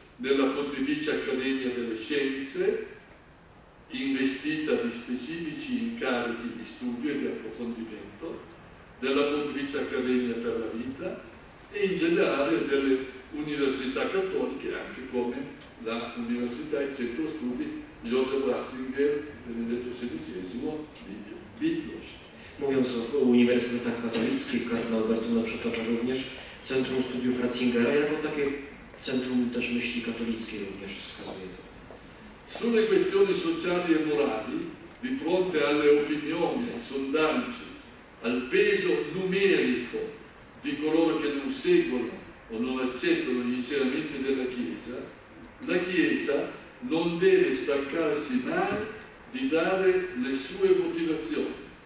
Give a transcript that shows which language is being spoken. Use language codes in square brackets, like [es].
[it] nella Pontificia Accademia delle Scienze, investita di specifici incarichi di studio e di approfondimento, della Pontificia Accademia per la Vita e in generale delle università cattoliche, anche come la Università e Centro Studi Joseph Ratzinger, Benedetto XVI, Biblos. [pl] Mówiąc o uniwersytetach katolickich, kardynał Bertone przytacza również Centrum Studiów Ratzingera, jako takie Centrum też Myśli Katolickiej również wskazuje to. [it] Sulle questioni sociali e morali, di fronte alle opinioni, ai sondaggi, al peso numerico di coloro che non seguono o non accettano gli insegnamenti della Chiesa, la Chiesa non deve stancarsi mai di dare le sue motivazioni.